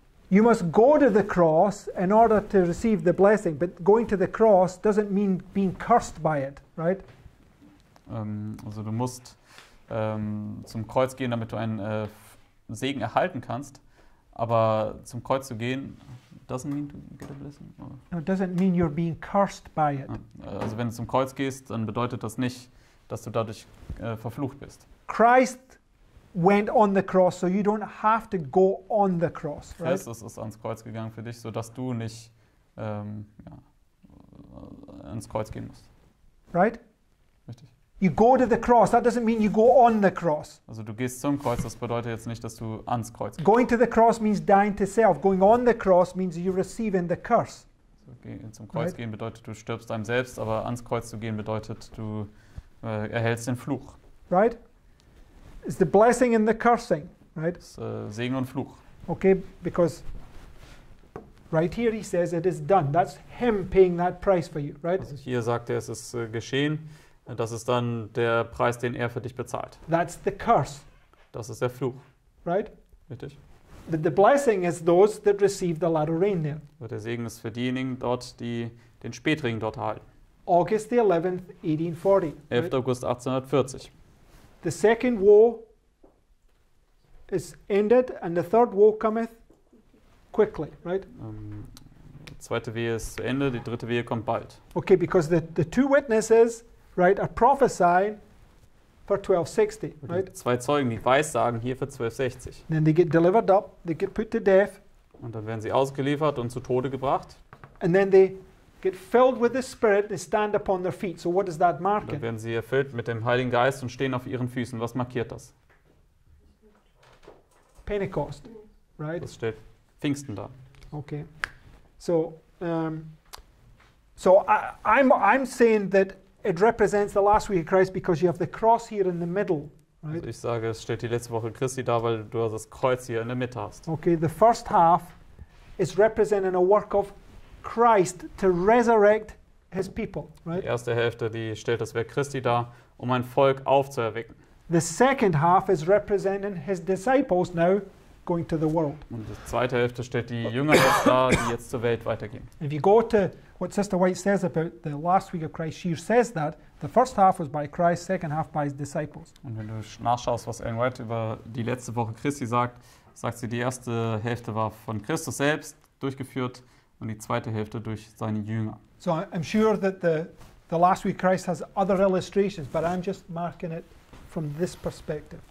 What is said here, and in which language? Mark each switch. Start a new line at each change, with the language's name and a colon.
English: You must go to the cross in order to receive the blessing, but going to the cross doesn't mean being cursed by it, right?
German: Also du musst zum Kreuz gehen, damit du einen Segen erhalten kannst, aber zum Kreuz zu gehen
English: doesn't mean to get a blessing. No, it doesn't mean you're being cursed by it.
German: Also wenn du zum Kreuz gehst, dann bedeutet das nicht, dass du dadurch verflucht bist.
English: Christ went on the cross, so you don't have to go on the cross, right?
German: Christus ist ans Kreuz gegangen für dich, so dass du nicht ans Kreuz gehen musst.
English: Right?
German: Richtig.
English: You go to the cross, that doesn't mean you go on the cross.
German: Also du gehst zum Kreuz, das bedeutet jetzt nicht, dass du ans Kreuz gehst.
English: Going to the cross means dying to self. Going on the cross means you're receiving the curse.
German: So, zum Kreuz right? gehen bedeutet, du stirbst deinem Selbst, aber ans Kreuz zu gehen bedeutet, du erhältst den Fluch.
English: Right? It's the blessing and the cursing, right?
German: Es, Segen und Fluch.
English: Okay, because right here he says it is done. That's him paying that price for you, right?
German: Also hier sagt er, es ist geschehen. Das ist dann der Preis, den er für dich bezahlt.
English: That's the curse.
German: Das ist der Fluch.
English: Right?
German: Richtig.
English: The blessing is those that receive the latter rain there.
German: Aber der Segen ist für diejenigen dort, die den Spätregen dort erhalten.
English: August the 11th, 1840.
German: 11. August 1840.
English: The second woe is ended and the third woe cometh quickly, right?
German: Zweite Wehe ist zu Ende, die dritte Wehe kommt bald.
English: Okay, because the two witnesses, right, are prophesying for 1260. Right?
German: Zwei Zeugen, die weissagen hier für 1260.
English: Then they get delivered up, they get put to death.
German: Und dann werden sie ausgeliefert und zu Tode gebracht.
English: And then they get filled with the Spirit and stand upon their feet. So what does that mark?
German: Dann werden sie erfüllt mit dem Heiligen Geist und stehen auf ihren Füßen. Was markiert das?
English: Pentecost, right?
German: Das steht Pfingsten da.
English: Okay. So, I'm saying that it represents the last week of Christ because you have the cross here in the middle, right?
German: Also ich sage, es steht die letzte Woche Christi da, weil du das Kreuz hier in der Mitte hast.
English: Okay, the first half is representing a work of Christ to resurrect his people, right?
German: Die erste Hälfte, die stellt das Werk Christi da, um ein Volk aufzuerwecken.
English: The second half is representing his disciples now going to the world.
German: Und die zweite Hälfte stellt die Jünger jetzt da, die jetzt zur Welt weitergehen.
English: If you go to what Sister White says about the last week of Christ, she says that the first half was by Christ, second half by his disciples.
German: Und wenn du nachschaust, was Ellen White über die letzte Woche Christi sagt, sagt sie, die erste Hälfte war von Christus selbst durchgeführt und die zweite Hälfte durch seine Jünger.
English: So I'm sure that the last week of Christ has other illustrations, but I'm just marking it from this perspective.